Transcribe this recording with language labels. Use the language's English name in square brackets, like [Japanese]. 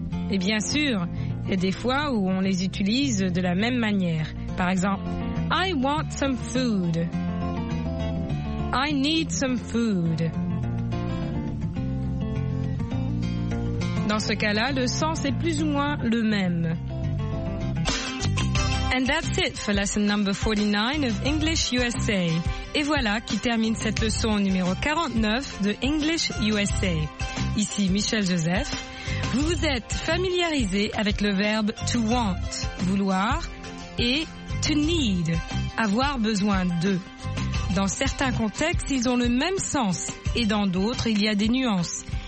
[French] Et bien sûr, il y a des fois où on les utilise de la même manière. Par exemple, [English] I want some food. I need some food. [French] Dans ce cas-là, le sens est plus ou moins le même. [English] And that's it for lesson number 49 of English USA. [French] Et voilà qui termine cette leçon numéro 49 de English USA. Ici Michel Joseph. Vous vous êtes familiarisé avec le verbe « to want », vouloir, et « to need », avoir besoin de. Dans certains contextes, ils ont le même sens, et dans d'autres, il y a des nuances.